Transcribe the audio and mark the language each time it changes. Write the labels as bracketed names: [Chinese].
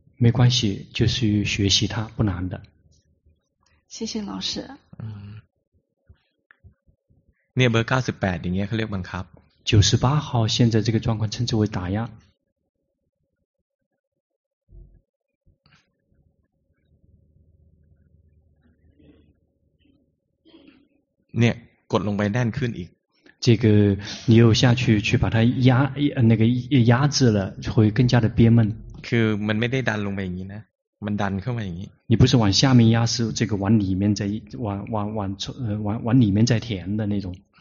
[Chinese] 没关系就是学习它不难的谢谢老师 [Thai] เนี่ยเบอร์98อย่างเงี้ยเขาเรียกบังคับ [Chinese] 98号现在这个状况称之为打压 [Thai] เนี่ยกดลงไปแน่นขึ้นอีก [Chinese] 这个你又下去去把它压那个压制了会更加的憋闷 [Thai] คือมันไม่ได้ดันลงไปอย่างนี้นะมันดันเข้ามาอย่างนี้ [Chinese] 你不是往下面压是这个往里面在往里面在填的那种